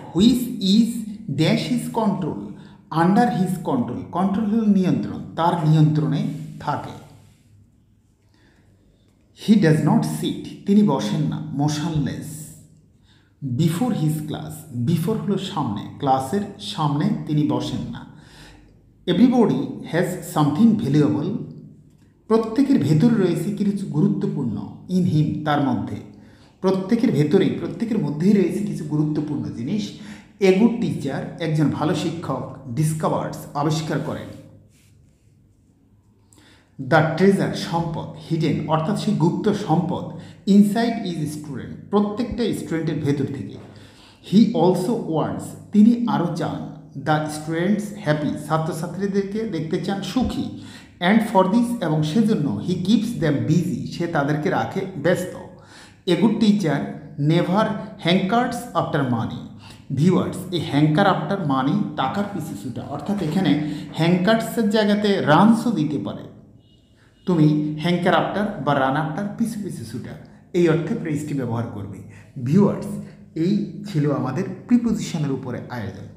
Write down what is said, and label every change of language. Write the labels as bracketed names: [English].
[English] which is dash his control, under his control, control [Bangla] হল নিয়ন্ত্রণ, তার নিয়ন্ত্রণে থাকে। [English] He does not sit. [Bangla] তিনি বসেন না. [English] Motionless. Before his class. Before [Bangla] হলো সামনে. ক্লাসের সামনে তিনি বসেন না. [English] Everybody has something valuable. [Bangla] প্রত্যেকের ভেতরে রয়েছে কিছু গুরুত্বপূর্ণ. [English] In him. [Bangla] তার মধ্যে. প্রত্যেকের ভেতরেই প্রত্যেকের মধ্যেই রয়েছে কিছু গুরুত্বপূর্ণ জিনিস. [English] A good teacher. [Bangla] একজন ভালো শিক্ষক. [English] Discovers. [Bangla] আবিষ্কার করেন. [English] The treasure, [Bangla] সম্পদ, [English] hidden, [Bangla] অর্থাৎ সেই গুপ্ত সম্পদ, [English] inside each student, [Bangla] প্রত্যেকটা স্টুডেন্টের ভেতর থেকে. [English] He also wants, [Bangla] তিনি আরও চান, [English] the students happy, [Bangla] ছাত্রছাত্রীদেরকে দেখতে চান সুখী. [English] And for this, [Bangla] এবং সেজন্য, [English] he keeps them busy, [Bangla] সে তাদেরকে রাখে ব্যস্ত. [English] A good teacher never hankers after money. [Bangla] Viewers, এই [English] hanker after money [Bangla] টাকার পিছু ছুটা, অর্থাৎ এখানে হ্যাঙ্কার্সের জায়গাতে রানসও দিতে পারে. তুমি [English] hanker after [Bangla] বা [English] run after [Bangla] পিছু পিছু ছুটা, এই অর্থে প্রেসটি ব্যবহার করবে. ভিউয়ার্স, এই ছিল আমাদের প্রিপোজিশনের উপরে আয়োজন.